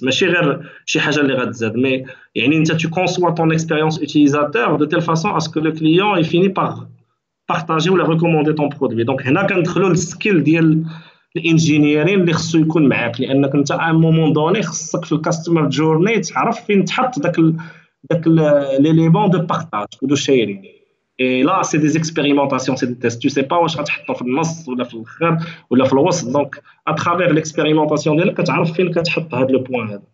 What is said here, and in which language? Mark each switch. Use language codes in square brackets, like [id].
[fr] Mais chez [ar] غير شي حاجه اللي غتزاد، مي يعني انت [fr] tu conçois ton expérience utilisateur de telle façon à ce que le client il finit par partager ou le recommander ton produit. [ar] Donc هنا كندخلوا السكيل ديال الانجينيرين اللي خصو يكون معاك، لانك انت ا مومون دوني خصك في الكاستمر جورني تعرف فين تحط داك ليليمون دو بارطاج و دو شيرين. [fr] Et là, c'est des expérimentations, c'est des tests. Tu ne sais pas où tu mets le nas ou le khar ou le wass. Donc, à travers l'expérimentation, tu sais où tu mets le point.